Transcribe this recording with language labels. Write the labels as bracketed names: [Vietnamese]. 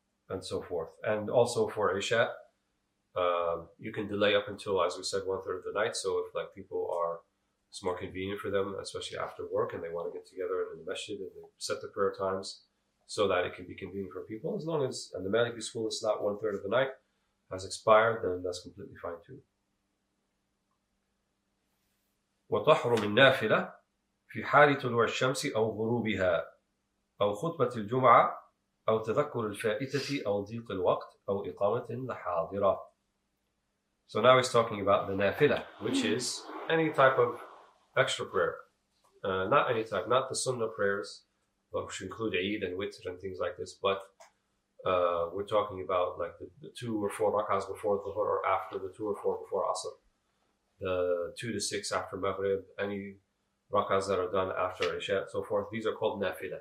[English] And so forth. And also for Isha, you can delay up until, as we said, 1/3 of the night. So if like people are it's more convenient for them, especially after work, and they want to get together in the masjid and they set the prayer times so that it can be convenient for people. As long as, and the maliki school is not one third of the night has expired, then that's completely fine too. [Arabic] وتحرم النافلة في حال طلوع الشمس أو غروبها أو خطبة الجمعة أو تذكر الفائتة أو ضيق الوقت أو إقامة لحاضرة. [English] So now he's talking about the nafilah, which is any type of extra prayer. Not any type, not the sunnah prayers, which include Eid and Witr and things like this, but we're talking about like the two or four rak'ahs before Dhuhr or after, the two or four before Asr, the 2 to 6 after Maghrib, any rak'ahs that are done after Isha, so forth. These are called nafilah.